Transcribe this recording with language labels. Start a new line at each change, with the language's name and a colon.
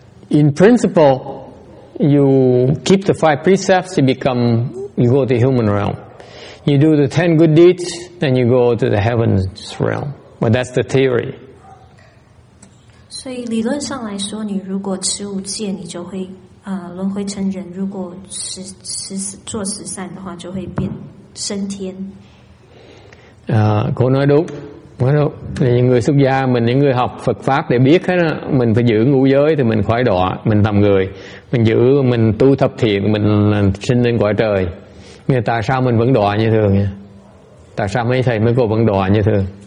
English: In principle, you keep the five precepts, you go to the human realm. You do the 10 good deeds, then you go to the heavens realm. But that's the theory.
Chinese: 所以理论上来说，你如果持五戒，你就会轮回成人；如果做十善的话，就会变升天。
Vietnamese: Cô nói đúng. Những người xuất gia mình, những người học Phật pháp để biết hết, mình phải giữ ngũ giới thì mình khỏi đọa, mình tầm người, mình giữ, mình tu thập thiện, mình sinh lên quả trời. Nghĩa tại sao mình vẫn đọa như thường nhỉ? Tại sao mấy thầy mấy cô vẫn đọa như thường?